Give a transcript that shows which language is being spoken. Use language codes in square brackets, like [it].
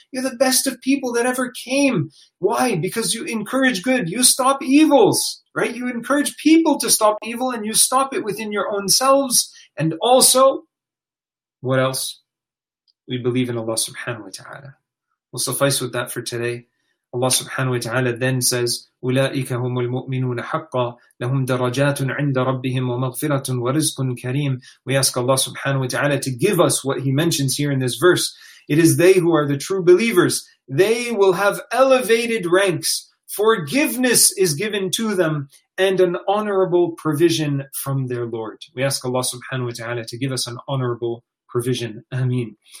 [en] You're the best of people that ever came. Why? Because you encourage good, you stop evils, right? You encourage people to stop evil and you stop it within your own selves. And also, what else? We believe in Allah subhanahu wa ta'ala. We'll suffice with that for today. Allah subhanahu wa ta'ala then says, [ar] أُولَٰئِكَ هُمُ الْمُؤْمِنُونَ حَقَّا لَهُمْ دَرَجَاتٌ عِنْدَ رَبِّهِمْ وَمَغْفِرَةٌ وَرِزْقٌ كَرِيمٌ. [en] We ask Allah subhanahu wa ta'ala to give us what He mentions here in this verse. It is they who are the true believers. They will have elevated ranks forgiveness is given to them and an honorable provision from their Lord. We ask Allah subhanahu wa ta'ala to give us an honorable provision. Ameen.